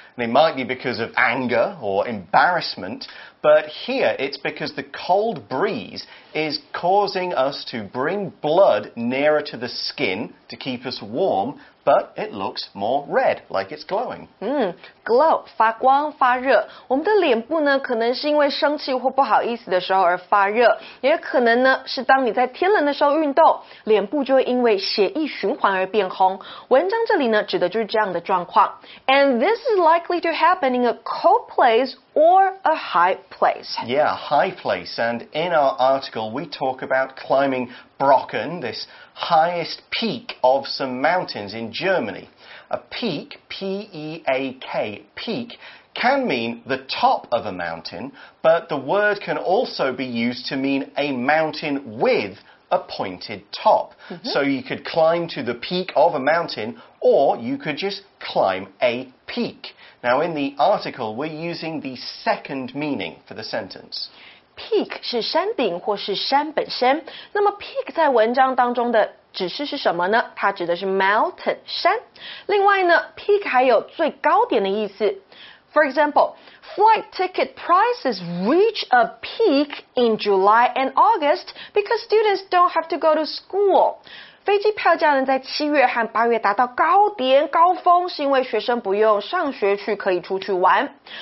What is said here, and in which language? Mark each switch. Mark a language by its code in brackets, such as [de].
[en] And it might be because of anger or embarrassment. But here, it's because the cold breeze is causing us to bring blood nearer to the skin to keep us warm, but it looks more red, like it's glowing. [zh] Glow, 发光发热。我们的脸部呢可能是因为生气或不好意思的时候而发热。也可能呢是当你在天冷的时候运动，脸部就会因为血液循环而变红。文章这里呢指的就是这样的状况。 [en] And this is likely to happen in a cold place or a high place. Yeah, high place. And in our article, we talk about climbing Brocken, this highest peak of some mountains in Germany. A peak, P-E-A-K, peak, can mean the top of a mountain, but the word can also be used to mean a mountain with a pointed top. Mm-hmm. So you could climb to the peak of a mountain, or you could just climb a peak. Now, in the article, we're using the second meaning for the sentence. [zh] Peak 是山顶或是山本身。那么 peak 在文章当中的指示是什么呢？它指的是 mountain 山。另外呢 ，peak 还有最高点的意思。 [en] For example, flight ticket prices reach a peak in July and August because students don't have to go to school. [zh] 飞机票价呢在七月和八月达到高点高峰，是因为学生不用上学去可以出去玩。